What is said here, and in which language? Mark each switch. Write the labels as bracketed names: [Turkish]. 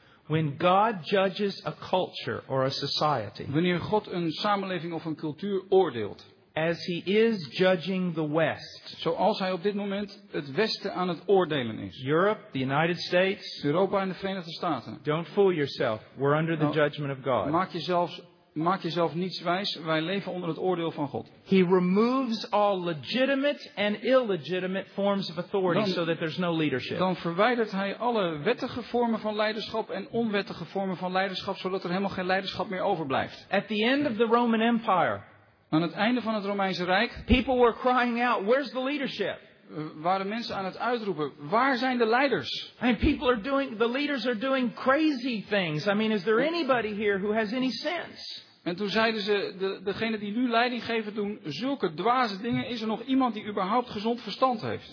[English] When God judges a culture or a society. [Dutch] Wanneer God een samenleving of een cultuur oordeelt. [English] As he is judging the West. [Dutch] Zoals hij op dit moment het Westen aan het oordelen is. [English] Europe, the United States. [Dutch] Europa en de Verenigde Staten. [English] Don't fool yourself. We're under the judgment of God. [Dutch] Maak jezelf niets wijs. Wij leven onder het oordeel van God. [English] He removes all legitimate and illegitimate forms of authority so that there's no leadership. [Dutch] Dan verwijdert hij alle wettige vormen van leiderschap en onwettige vormen van leiderschap zodat er helemaal geen leiderschap meer overblijft. [English] At the end of the Roman Empire. [Dutch] Aan het einde van het Romeinse Rijk. [English] People were crying out, "Where's the leadership?" [Dutch] Waren mensen aan het uitroepen, "Waar zijn de leiders?" [English] And people are doing, the leaders are doing crazy things. I mean, is there anybody here who has any sense? [Dutch] En toen zeiden ze, degene die nu leiding geven doen zulke dwaze dingen, is er nog iemand die überhaupt gezond verstand heeft?